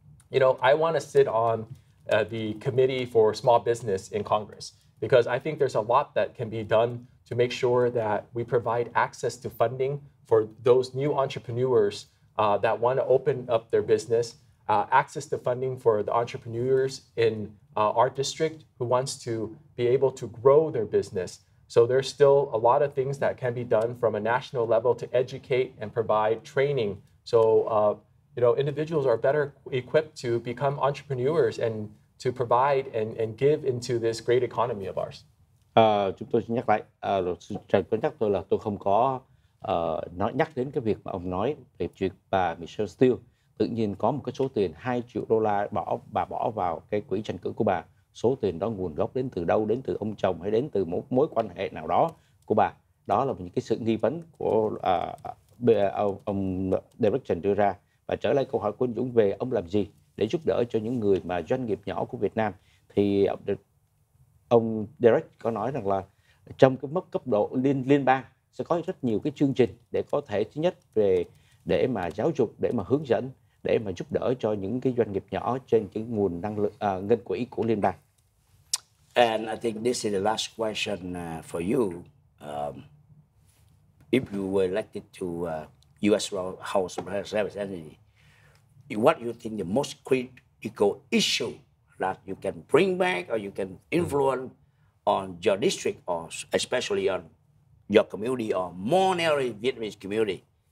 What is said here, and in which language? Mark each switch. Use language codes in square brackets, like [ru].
[en] You know, I want to sit on the committee for small business in Congress, because I think there's a lot that can be done to make sure that we provide access to funding for those new entrepreneurs that want to open up their business, access to funding for the entrepreneurs in our district who wants to be able to grow their business. So there's still a lot of things that can be done from a national level to educate and provide training. So, you know, individuals are better equipped to become entrepreneurs and to provide and give into this great economy of ours. [vi] Chúng tôi xin nhắc lại, luật sư Trần có nhắc tôi là tôi không có nói nhắc đến cái việc mà ông nói về chuyện bà Michelle Steele tự nhiên có một cái số tiền $2 triệu bỏ vào cái quỹ tranh cử của bà. Số tiền đó nguồn gốc đến từ đâu, đến từ ông chồng hay đến từ một mối quan hệ nào đó của bà? Đó là những cái sự nghi vấn của ông Derek Trần đưa ra. Và trở lại câu hỏi của anh Dũng về ông làm gì để giúp đỡ cho những người mà doanh nghiệp nhỏ của Việt Nam, thì ông Derek có nói rằng là trong cái mức cấp độ liên bang sẽ có rất nhiều cái chương trình để có thể, thứ nhất về để mà giáo dục, để mà hướng dẫn, để mà giúp đỡ cho những cái doanh nghiệp nhỏ trên cái nguồn năng lượng ngân quỹ của liên bang. [en] And I think this is the last question for you. If you were elected to US House of Representatives, what do you think the most critical issue that you can bring back or you can influence on your district, or especially on your community or more narrowly Vietnamese community?